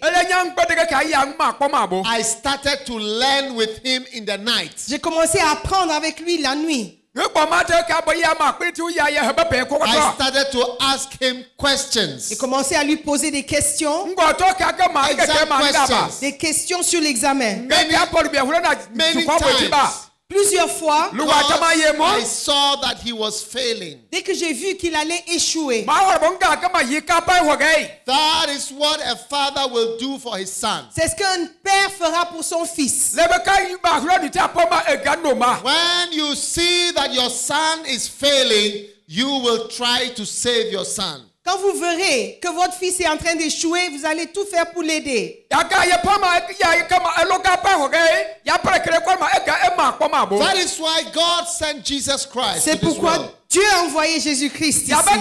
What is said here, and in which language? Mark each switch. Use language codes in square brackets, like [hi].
[en] I started to learn with him in the night. [fr] J'ai commencé à apprendre avec lui la nuit. [en] I started to ask him questions. [fr] J'ai commencé à lui poser des questions. [en] Exam questions. [fr] Des questions sur l'examen. [en] Many times. [fr] Plusieurs fois. [en] Because I saw that he was failing. [fr] Dès que j'ai vu qu'il allait échouer. [en] That is what a father will do for his son. [fr] C'est ce qu'un père fera pour son fils. [en] When you see that your son is failing, you will try to save your son. [fr] Quand vous verrez que votre fils est en train d'échouer, vous allez tout faire pour l'aider. [en] That is why God sent Jesus Christ. [fr] C'est pourquoi Dieu a envoyé Jésus-Christ ici.